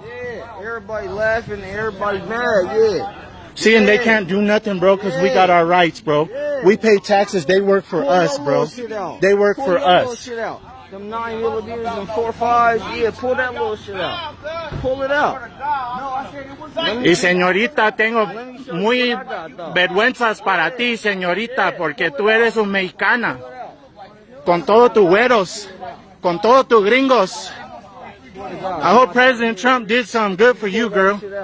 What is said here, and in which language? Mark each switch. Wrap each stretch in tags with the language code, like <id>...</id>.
<en>Yeah, everybody laughing. Everybody mad, yeah. See, and they can't do nothing, bro, because we got our rights, bro. Yeah. We pay taxes. They work for us, bro. They work for us. Them 9-year-old abusers and 4-5s, yeah, pull that little shit out. Pull it out.</en> <es>Y señorita, tengo muy vergüenzas para ti, señorita, porque tú eres un mexicana. Con todos tus güeros, con todos tus gringos.</es> <en>I hope President Trump did something good for you, girl.</en>